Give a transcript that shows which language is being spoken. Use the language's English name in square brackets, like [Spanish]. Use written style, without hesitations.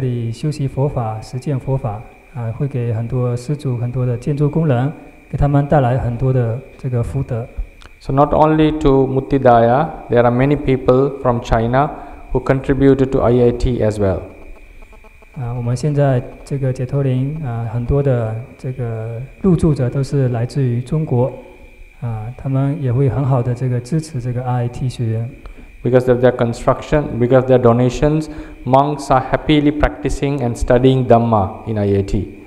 [Chinese] 因为未来呢，会有很多的这个出家众会在这里修习佛法，实践佛法。会给很多施主、很多的建筑工人，给他们带来很多的这个福德。 [English] So not only to Muttidaya, there are many people from China who contributed to IIT as well. [Chinese] 我们现在这个解脱林，很多的这个入住者都是来自于中国，他们也会很好的这个支持这个 IIT 学院。 [English] Because of their construction, because of their donations, monks are happily practicing and studying Dhamma in IIT.